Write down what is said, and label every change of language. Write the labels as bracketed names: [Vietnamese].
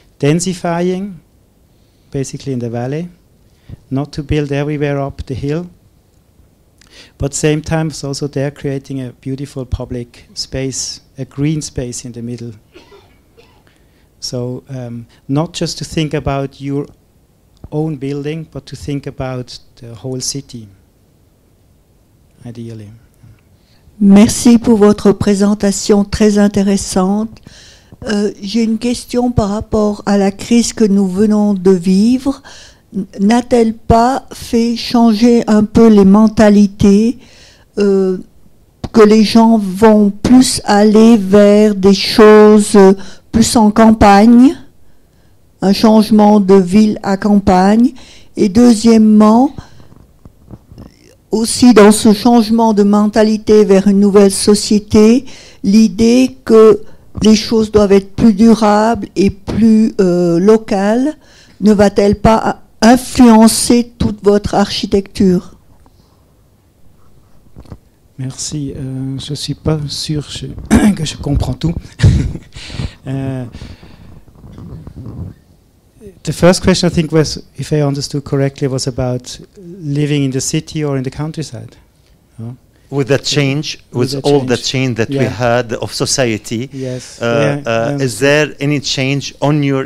[English] Densifying, basically in the valley, not to build everywhere up the hill, but same time it's also there creating a beautiful public space, a green space in the middle. So not just to think about your own building, but to think about the whole city, ideally. [French] Merci pour votre présentation très intéressante. J'ai une question par rapport à la crise que nous venons de vivre. N'a-t-elle pas fait changer un peu les mentalités, que les gens vont plus aller vers des choses plus en campagne, un changement de ville à campagne? Et deuxièmement, aussi dans ce changement de mentalité vers une nouvelle société, l'idée que les choses doivent être plus durables et plus locales ne va-t-elle pas influencer toute votre architecture? Merci. Je ne suis pas sûr que je comprends tout. [English] The first question, I think, was, if I understood correctly, was about living in the city or in the countryside. With that change, with that all change. The change that we had of society, is there any change on your?